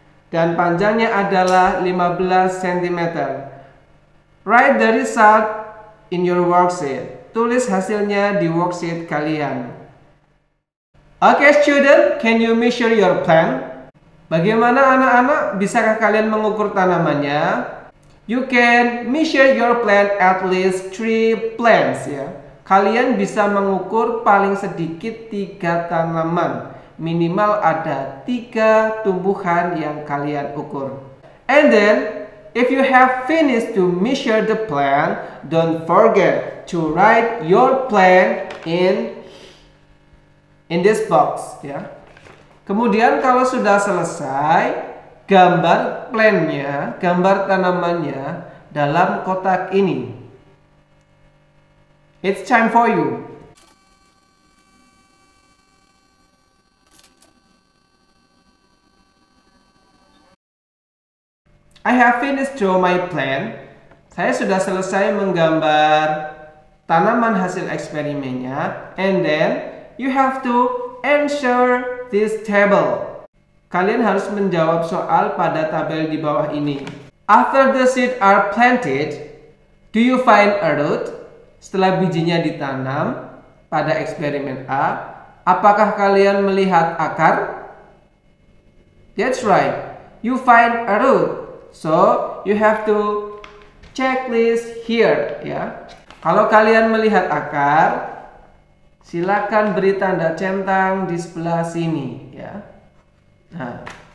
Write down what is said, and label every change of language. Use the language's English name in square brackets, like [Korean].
[Indonesian] Dan panjangnya adalah 15 cm. [English] Write the result in your worksheet. [Indonesian] Tulis hasilnya di worksheet kalian. [English] Okay student, can you measure your plant? [Indonesian] Bagaimana anak-anak, bisakah kalian mengukur tanamannya? [English] You can measure your plant at least 3 plants ya. [Indonesian] Kalian bisa mengukur paling sedikit 3 tanaman. Minimal ada 3 tumbuhan yang kalian ukur. [English] And then, if you have finished to measure the plant, don't forget to write your plant in this box. [Indonesian] Yeah. Kemudian kalau sudah selesai, gambar plantnya, gambar tanamannya dalam kotak ini. [English] It's time for you. I have finished drawing my plan. [Indonesian] Saya sudah selesai menggambar tanaman hasil eksperimennya. [English] And then you have to answer this table. [Indonesian] Kalian harus menjawab soal pada tabel di bawah ini. [English] After the seeds are planted, do you find a root? [Indonesian] Setelah bijinya ditanam pada eksperimen A, apakah kalian melihat akar? [English] That's right. You find a root. So, you have to checklist here, ya. [Indonesian] Kalau kalian melihat akar, silakan beri tanda centang di sebelah sini, ya. Nah.